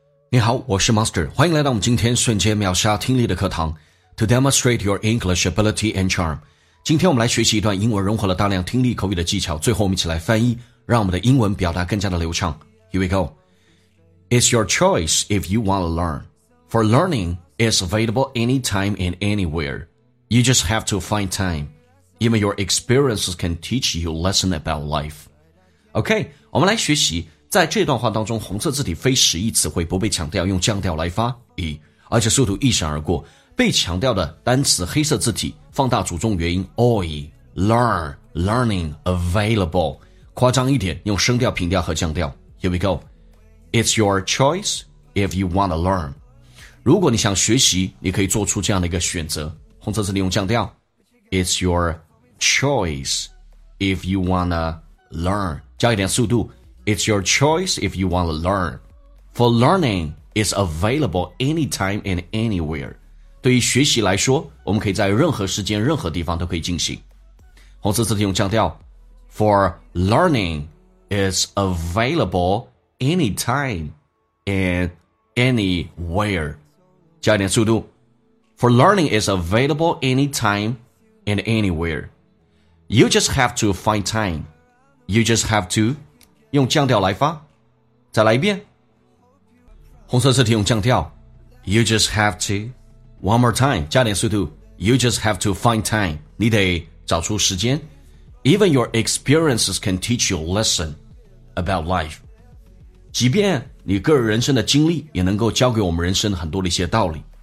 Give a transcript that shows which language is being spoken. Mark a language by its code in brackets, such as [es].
[zh] 你好，我是 Master， 欢迎来到我们今天瞬间秒杀听力的课堂 [en] To demonstrate your English ability and charm。 [zh] 今天我们来学习一段英文融合了大量听力口语的技巧，最后我们一起来翻译，让我们的英文表达更加的流畅。 [en] Here we go. It's your choice if you want to learn. For learning is available anytime and anywhere. You just have to find time. Even your experiences can teach you lesson about life. [zh] OK, 我们来学习在这段话当中，红色字体非实义词汇不被强调，用降调来发一，而且速度一闪而过。被强调的单词黑色字体放大主重元音 oi, learn, learning, available, 夸张一点，用升调平调和降调。 [en] Here we go. It's your choice if you want to learn. [zh] 如果你想学习，你可以做出这样的一个选择。红色字体用降调。 [en] It's your choice if you want to learn. [zh] 加一点速度。 [en] It's your choice if you want to learn. For learning is available anytime and anywhere. [zh] 对于学习来说，我们可以在任何时间、任何地方都可以进行。红色字体用降调。 [en] For learning is available anytime and anywhere. [zh] 加一点速度。 [en] For learning is available anytime and anywhere. You just have to find time. You just have to... [zh] 用降调来发，再来一遍。红色字体用降调。 [en] You just have to, one more time, [zh] 加点速度。 [en] You just have to find time, [zh] 你得找出时间。 [en] Even your experiences can teach you a lesson about life. [zh] 即便你个人人生的经历也能够教给我们人生很多的一些道理。